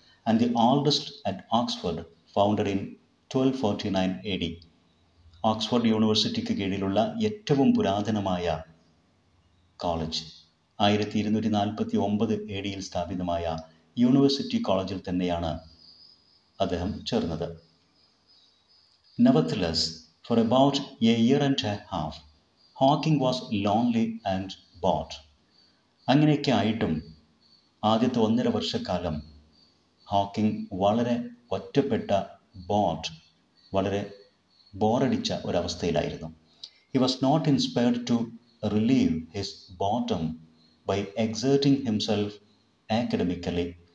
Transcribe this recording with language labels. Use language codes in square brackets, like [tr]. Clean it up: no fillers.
[en] And the oldest at Oxford, founded in 1249 AD. [ml] Oxford യൂണിവേഴ്സിറ്റിക്ക് കീഴിലുള്ള ഏറ്റവും പുരാതനമായ കോളേജ്, 1249 AD സ്ഥാപിതമായ യൂണിവേഴ്സിറ്റി കോളേജിൽ തന്നെയാണ് അദ്ദേഹം ചേർന്നത്. [en] Nevertheless, for about a year and a half, Hawking was lonely and bored. [ml] അങ്ങനെയൊക്കെ ആയിട്ടും ആദ്യത്തെ 1.5 വർഷക്കാലം ഹോക്കിംഗ് വളരെ ഒറ്റപ്പെട്ട, ബോർഡ്, വളരെ ബോറടിച്ച ഒരവസ്ഥയിലായിരുന്നു. [en] He was not inspired to relieve his boredom by exerting himself academically.